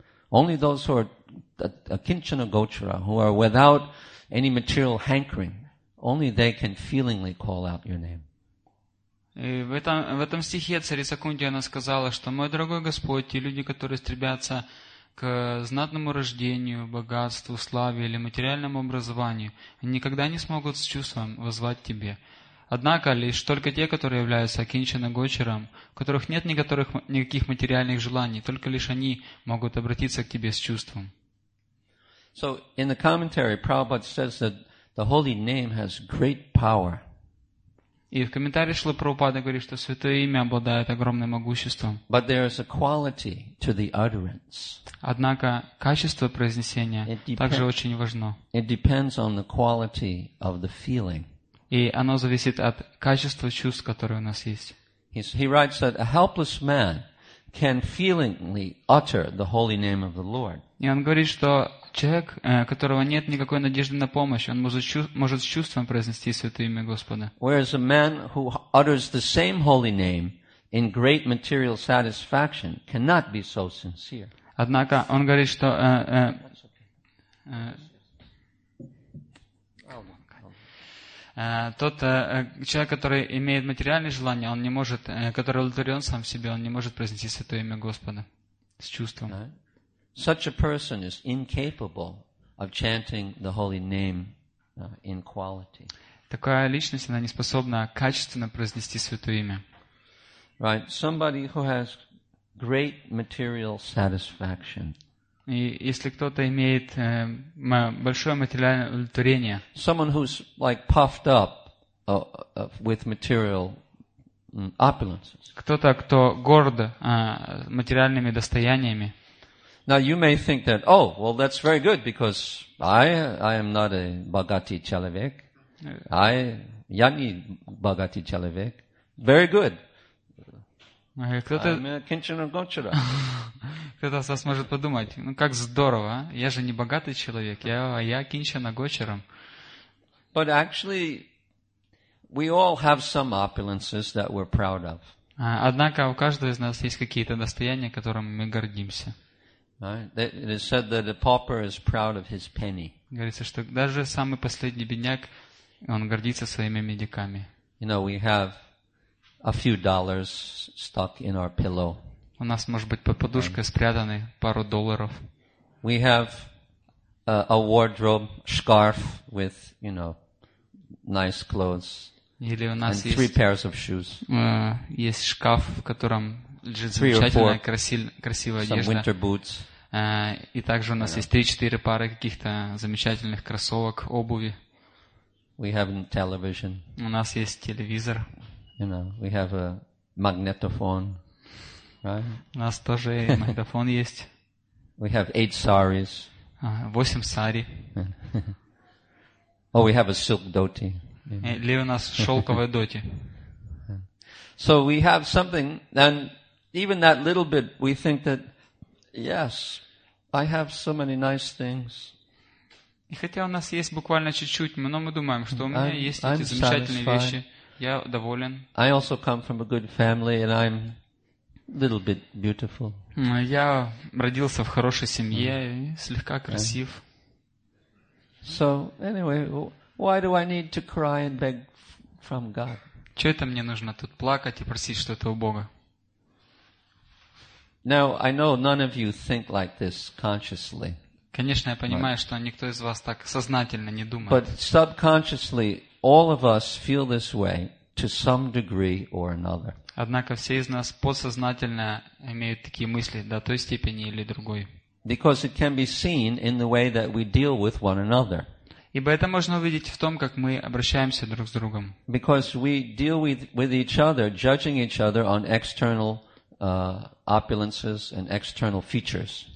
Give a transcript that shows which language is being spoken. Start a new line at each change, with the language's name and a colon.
English: Only those who are akinchana gochara, who are without any material hankering, only they can feelingly call out your name.
Russian: И в этом стихе царица Кунти она сказала, что мой дорогой Господь, те люди, которые стремятся к знатному рождению, богатству, славе или материальному образованию, никогда не смогут с чувством воззвать тебе. Однако лишь только те, которые являются акинчана гочером, у которых нет никаких материальных желаний, только лишь они могут обратиться к тебе с чувством.
English: So in the commentary Prabhupada says that the holy name has great power.
Russian: И в комментарии Шрила Прабхупада говорит, что святое имя обладает огромным могуществом.
English: But there is a quality to the utterance.
Russian: Однако качество произнесения также очень важно.
English: It depends on the quality of the feeling.
Russian: И оно зависит от качества чувств, которые у нас есть.
English: He writes that a helpless man can feelingly utter the holy name of the Lord.
Russian: И он говорит, что человек, которого нет никакой надежды на помощь, он может с чувством произнести святое имя Господа.
English: Whereas a man who utters the same holy name in great material satisfaction cannot be so sincere.
Russian: Однако он говорит, что тот человек, который имеет материальные желания, он не может, который удовлетворен сам в себе, он не может произнести святое имя Господа с чувством.
English: Such a person is incapable of chanting the holy name in quality.
Russian: Такая личность, она не способна качественно произнести святое имя.
English: Right, somebody who has great material satisfaction.
Russian: И если кто-то имеет большое материальное удовлетворение.
English: Someone who's like puffed up with material opulences.
Russian: Кто-то, кто горд материальными достояниями.
English: Now you may think that, oh, well, that's very good because I am not a
Russian: богатый человек. Я не богатый человек.
English: Very good. I'm a Кинчана Гочара.
Russian: Кто-то с вас может подумать, ну как здорово, я же не богатый человек, я Кинчана Гочаром.
English: But actually, we all have some opulences that we're proud of.
Russian: Однако у каждого из нас есть какие-то достояния, которыми мы гордимся.
English: Right. It is said that a pauper is proud of his penny.
Russian: Говорится, что даже самый последний бедняк, он гордится своими медиками.
English: You know, we have a few dollars stuck in our pillow.
Russian: У нас, может быть, под подушкой спрятаны пару долларов.
English: We have a wardrobe scarf with, you know, nice clothes.
Russian: Или у нас есть
English: three pairs of shoes.
Russian: Есть шкаф, в котором лежит замечательная, красивая одежда.
English: Some winter boots.
Russian: И также у нас есть 3-4 пары каких-то замечательных кроссовок, обуви.
English: We have television.
Russian: У нас есть телевизор.
English: You know, we have a magnetophone. Right?
Russian: У нас тоже и магнитофон есть.
English: We have 8 saris.
Russian: 8 сари.
English: Oh, we have a silk dhoti.
Russian: Или у нас шелковая доти.
English: So we have something and even that little bit, we think that, yes, I have so many nice things.
Russian: И хотя у нас есть буквально чуть-чуть, но мы думаем, что у меня есть эти замечательные вещи. Я доволен.
English: I also come from a good family, and I'm a little bit beautiful.
Russian: Я родился в хорошей семье, слегка красив.
English: So, anyway, why do I need to cry and beg from God?
Russian: Че это мне нужно тут плакать и просить что-то у Бога?
English: Now, I know none of you think like this consciously.
Russian: Конечно, я понимаю, что никто из вас так сознательно не думает.
English: But subconsciously, all of us feel this way to some degree or another.
Russian: Однако все из нас подсознательно имеют такие мысли до той степени или другой.
English: Because it can be seen in the way that we deal with one another.
Russian: Ибо это можно увидеть в том, как мы обращаемся друг с другом.
English: Because we deal with each other, judging each other on external opulences and external features.